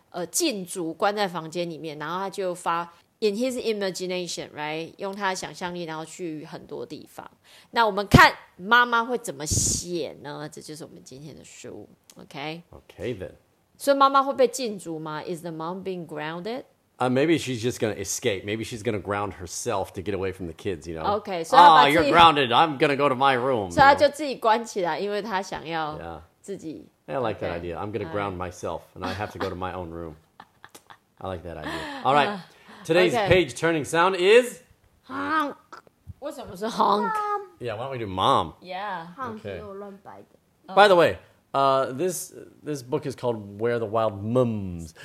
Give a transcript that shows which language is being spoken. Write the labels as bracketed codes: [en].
[zh] 禁足关在房间里面然后他就发 [en] In his imagination right [zh] 用他的想象力然后去很多地方那我们看妈妈会怎么写呢这就是我们今天的书Okay [en] then. So, Mama [zh] 会被禁足吗? [en] Is the mom being grounded? Maybe she's just going to escape. Maybe she's going to ground herself to get away from the kids, you know? Okay, so. Oh, you're grounded. I'm going to go to my room. [zh] So, 她就自己关起来,因为她想要自己。 [en] Yeah. I like that idea. I'm going to ground myself, and I have to go to my own room. I like that idea. All right. Today's page turning sound is. [zh] Honk. 为什么是 honk? [en] Yeah, why don't we do mom? Yeah. Okay. By the way, this book is called Where the Wild Mums.